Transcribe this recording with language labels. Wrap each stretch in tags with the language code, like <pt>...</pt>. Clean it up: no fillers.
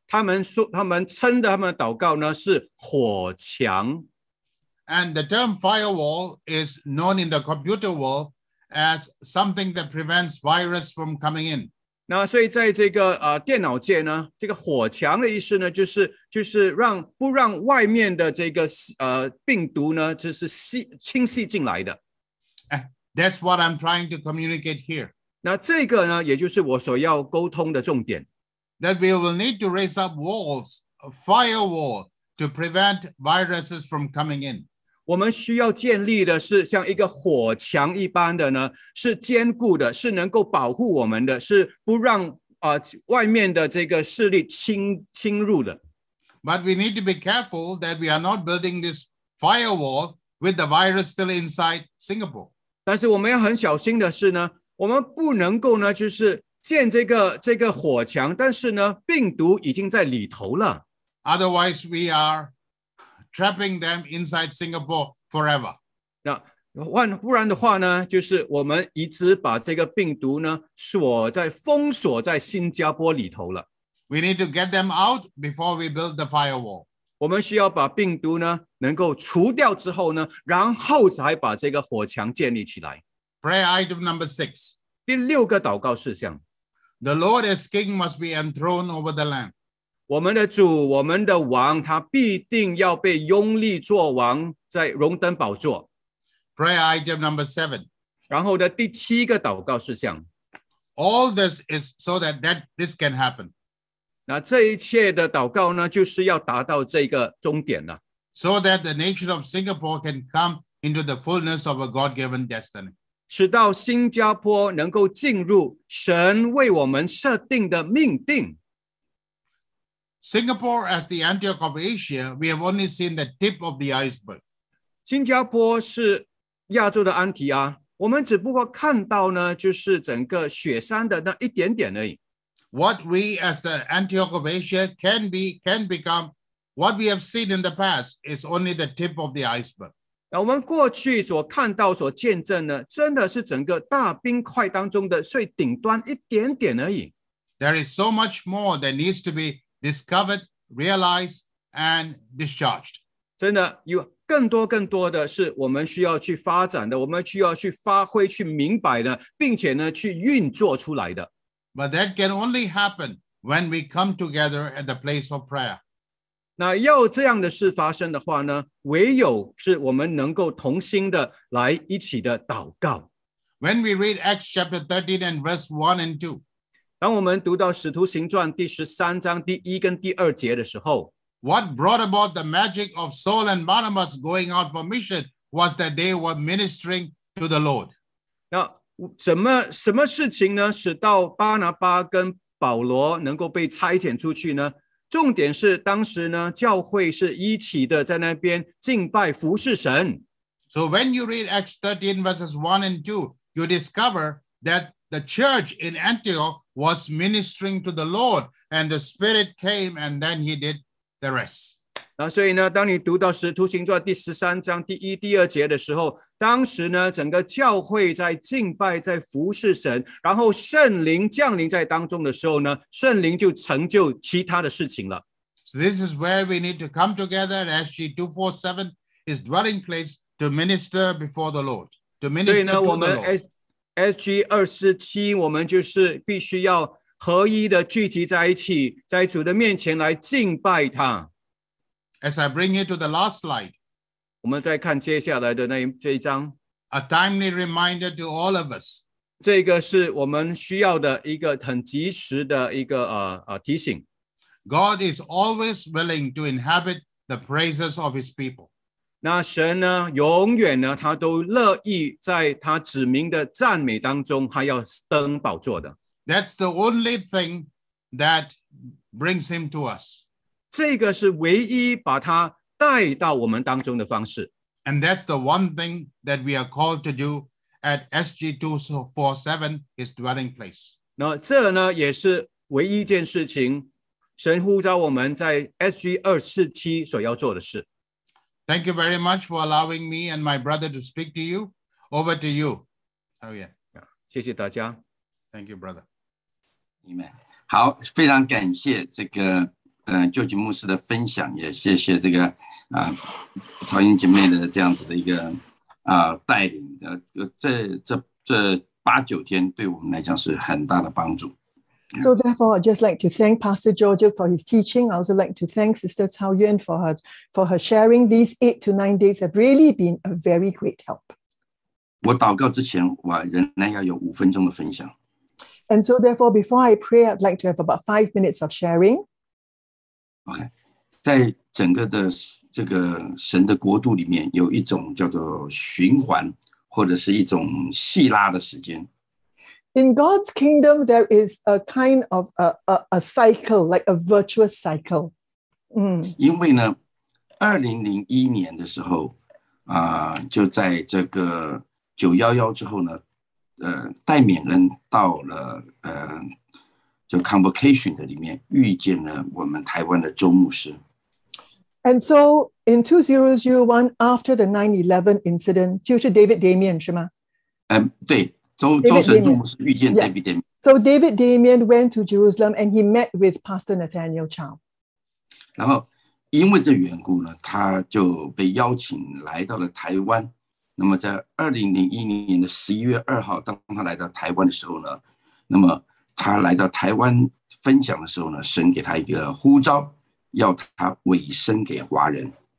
<zh>他们称的他们的祷告呢是火墙。</zh> <en>And the term firewall is known in the computer world as something that prevents virus from coming in.</en> <zh>那所以在这个电脑界呢，这个火墙的意思呢，就是让不让外面的这个病毒呢，就是侵袭进来的。</zh> <en>That's what I'm trying to communicate here.</en> <zh>那这个呢，也就是我所要沟通的重点。</zh> <en>That we will need to raise up walls, a firewall, to prevent viruses from coming in.</en> <zh>我们需要建立的是像一个火墙一般的呢，是坚固的，是能够保护我们的，是不让外面的这个势力侵入的。</zh> <en>But we need to be careful that we are not building this firewall with the virus still inside Singapore.</en> <zh>但是我们要很小心的是呢，我们不能够呢，就是建这个火墙，但是呢，病毒已经在里头了。</zh> <en>Otherwise, we are trapping them inside Singapore forever.</en> <zh>那不然的话呢，就是我们一直把这个病毒呢封锁在新加坡里头了。</zh> <en>We need to get them out before we build the firewall.</en> <zh>我们需要把病毒呢能够除掉之后呢，然后才把这个火墙建立起来。</zh> <en>Prayer item number six.</en> <zh>第六个祷告事项。</zh> <en>The Lord as King must be enthroned over the land.</en> <zh>我们的主，我们的王，他必定要被拥立作王，在荣登宝座。</zh> <en>Prayer item number seven.</en> <zh>然后的第七个祷告事项。</zh> <en>All this is so that this can happen.</en> <zh>那这一切的祷告呢，就是要达到这个终点了。</zh> <en>So that the nation of Singapore can come into the fullness of a God-given destiny.</en> <zh>使到新加坡能够进入神为我们设定的命定。</zh> <en>Singapore as the Antioch of Asia, we have only seen the tip of the iceberg.</en> <zh>新加坡是亚洲的安提阿，我们只不过看到呢，就是整个雪山的那一点点而已。</zh> <en>What we as the Antioch of Asia can become, what we have seen in the past is only the tip of the iceberg.</en> <zh>我们过去所看到所见证的真的是整个大冰块当中的最顶端一点点而已。</zh> <en>There is so much more that needs to be discovered, realized, and discharged.</en> <zh>真的有更多更多的是我们需要去发展的，我们需要去发挥，去明白的，并且呢去运作出来的。</zh> <en>But that can only happen when we come together at the place of prayer.</en> <zh>那要这样的事发生的话呢，唯有是我们能够同心的来一起的祷告。</zh> <en>When we read Acts chapter 13 and verse 1 and 2,</en> <zh>当我们读到《使徒行传》第十三章第一跟第二节的时候，</zh> <en>What brought about the magic of Saul and Barnabas going out for mission was that they were ministering to the Lord.</en> <zh>那什么事情呢，使到巴拿巴跟保罗能够被差遣出去呢？重点是当时呢，教会是一起的在那边敬拜服侍神。</zh> <en>So when you read Acts 13 verses 1 and 2, you discover that the church in Antioch was ministering to the Lord, and the Spirit came, and then he did the rest.</en> <zh>那所以呢，当你读到《使徒行传》第十三章第一、第二节的时候，当时呢，整个教会在敬拜，在服侍神，然后圣灵降临在当中的时候呢，圣灵就成就其他的事情了。</zh> <en>So this is where we need to come together at SG247, his dwelling place, to minister before the Lord. To minister to the Lord.</en> <zh>所以呢，我们 SG247, 我们就是必须要合一的聚集在一起，在主的面前来敬拜他。</zh> <en>As I bring you to the last slide,</en> <zh>我们再看接下来的那这一章。</zh> <en>A timely reminder to all of us.</en> <zh>这个是我们需要的一个很及时的一个提醒。</zh> <en>God is always willing to inhabit the praises of His people.</en> <zh>那神呢，永远呢，他都乐意在他子民的赞美当中，他要登宝座的。</zh> <en>That's the only thing that brings Him to us.</en> <zh>这个是唯一把它带到我们当中的方式。</zh> <en>And that's the one thing that we are called to do at SG247, his dwelling place.</en> <zh>那这呢也是唯一件事情神呼召我们在 SG247 所要做的事。</zh> <en>Thank you very much for allowing me and my brother to speak to you. Over to you. Oh yeah.</en> <zh>谢谢大家。</zh> <en>Thank you, brother. Amen.</en> <zh>好，非常感谢这个究极牧师的分享，也谢谢这个曹英姐妹的这样子的一个带领的，这八九天对我们来讲是很大的帮助。</zh> <en>So therefore, I'd just like to thank Pastor George for his teaching. I also like to thank Sister Cao Yuan for her sharing. These 8 to 9 days have really been a very great help.</en> <zh>我祷告之前，我仍然要有五分钟的分享。</zh> <en>And so therefore, before I pray, I'd like to have about 5 minutes of sharing.</en> <zh>OK， 在整个的这个神的国度里面，有一种叫做循环，或者是一种细拉的时间。</zh> <en>In God's kingdom, there is a kind of a cycle, like a virtuous cycle.</en> <zh>因为呢，2001年的时候，就在这个911之后呢，戴冕恩到了就 convocation 的里面遇见了我们台湾的周牧师。</zh> <en>And so in 2001, after the 9/11 incident,</en> <zh>就是 David Damien 是吗？对，周神周牧师遇见 David Damien。</zh> <en>Yeah. So David Damien went to Jerusalem and he met with Pastor Nathaniel Chow.</en> <zh>然后因为这缘故呢，他就被邀请来到了台湾。那么在2001年的11月2号，当他来到台湾的时候呢，那么他来到台湾分享的时候呢，神给他一个呼召，要他委身给华人。</zh>